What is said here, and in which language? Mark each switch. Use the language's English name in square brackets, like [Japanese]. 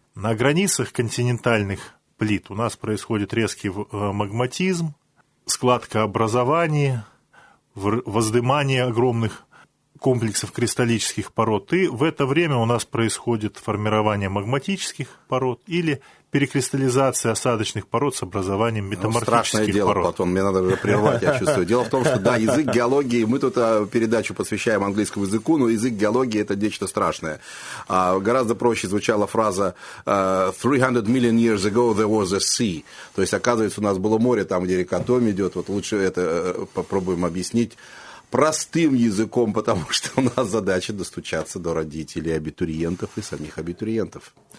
[Russian] На границах континентальных плит у нас происходит резкий магматизм, складкообразование, воздымание огромных комплексов кристаллических пород, и в это время у нас происходит формирование магматических пород или перекристаллизация осадочных пород с образованием метаморфических пород. Страшное дело, Платон, мне надо уже прервать, я чувствую. Дело в том, что, да, язык геологии, мы тут передачу посвящаем английскому языку, но язык геологии – это нечто страшное. Гораздо проще звучала фраза [English] «300 million years ago there was a sea». [Russian] То есть, оказывается, у нас было море там, где река Том идет. Вот лучше это попробуем объяснить простым языком, потому что у нас задача достучаться до родителей абитуриентов и самих абитуриентов.